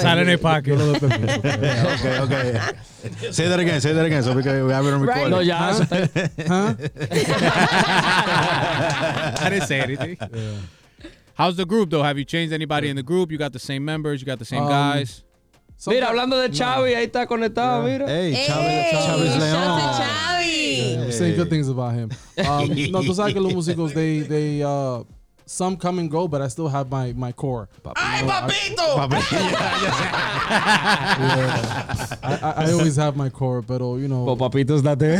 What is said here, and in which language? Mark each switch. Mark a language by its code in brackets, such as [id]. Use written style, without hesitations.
[es] Sale en el pocket. [en] Okay. Say that again. So we have it on recording. [es] No, ya. Huh? [en] I didn't say anything. Yeah. How's the group though? Have you changed anybody in the group? You got the same members. You got the same guys. Sometimes. [es] Mira, hablando de Chavi, ahí está conectado, mira. [en] Hey, Chavi's León. Shout out to Chavi. Yeah, I'm saying good things about him. [es] no, tú sabes que los músicos, [en] they some come and go, but I still have my core. Papito! Papito! I always have my core, but, you know. But Papito's not there.